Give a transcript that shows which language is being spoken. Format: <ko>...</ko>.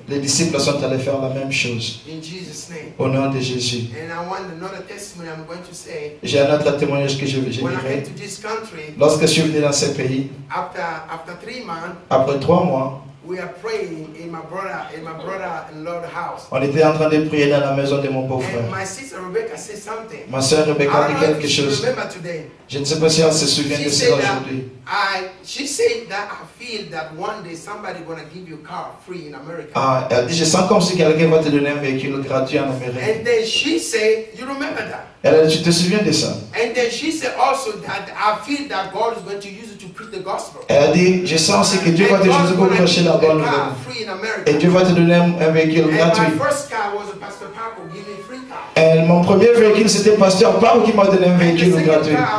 <fr>Les disciples sont allés faire la même chose.</fr> <en>In Jesus' name.</en> <fr>Au nom de Jésus.</fr> <en>And I want another testimony I'm going to say.</en> <fr>J'ai un autre témoignage que je vais générer.</fr> <en>When I came to this country,</en> <fr>lorsque je suis venu dans ce pays,</fr> <en>after 3 months,</en> <fr>après 3 mois,</fr> <en>we are praying in my brother-in-law's house.</en> <fr>On était en train de prier dans la maison de mon beau-frère.</fr> <en>My sister Rebecca said something.</en> <fr>Ma sœur Rebecca dit quelque chose.</fr> <en>Remember today.</en> <fr>Je ne sais pas si elle se souvient de ça aujourd'hui.</fr> <en>She said that I feel that one day somebody gonna give you a car free in America.</en> <fr>Elle dit, je sens comme si quelqu'un va te donner un véhicule gratuit en Amérique.</fr> <en>And then she said, you remember that?</en> <fr>Elle dit, tu te souviens de ça?</fr> <en>And then she said also that I feel that God is going to use it to preach the gospel.</en> <fr>Elle dit, je sens aussi que Dieu va te donner pour prêcher la bonne nouvelle.</fr> <en>Free in America.</en> <fr>Et Dieu va te donner un véhicule gratuit.</fr> <en>My first car was a Pastor Paco giving me free car.</en> <fr>Et mon premier véhicule, c'était Pasteur Paul qui m'a donné un véhicule gratuit.</fr>